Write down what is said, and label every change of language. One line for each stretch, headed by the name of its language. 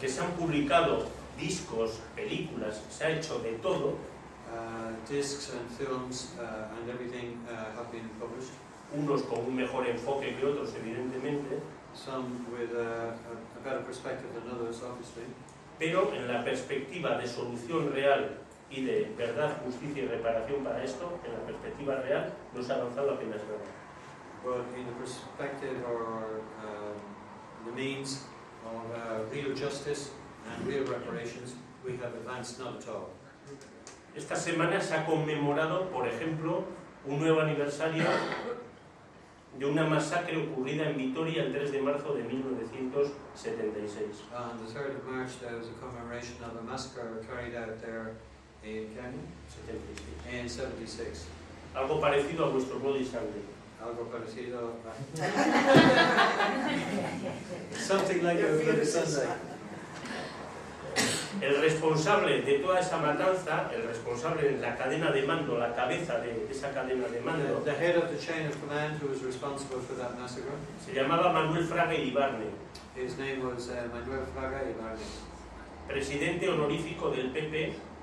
Spanish: Que se han publicado discos, películas, se ha hecho de todo.
English: Discs and films and everything have been published.
Spanish: Unos con un mejor enfoque que otros, evidentemente.
English: Some with a better perspective than others, obviously.
Spanish: Pero en la perspectiva de solución real y de verdad, justicia y reparación para esto, en la perspectiva real, no se ha avanzado apenas nada.
English: But in the perspective or the means of real justice and real reparations, we have advanced not at all.
Spanish: Esta semana se ha conmemorado, por ejemplo, un nuevo aniversario de una masacre ocurrida en Vitoria el 3 de marzo de 1976.
English: On the 3rd of March there was a commemoration of a massacre carried out there in Kenya.
Spanish: 76. Algo parecido a vuestro
English: body standing.
Spanish: Algo parecido.
English: Something like your body standing.
Spanish: El responsable de toda esa matanza, el responsable de la cadena de mando, la cabeza de esa cadena de mando,
English: the head of the chain of command who was responsible for that massacre,
Spanish: se llamaba Manuel Fraga Iribarne.
English: His name was Manuel Fraga Iribarne.
Spanish: Presidente honorífico del PP.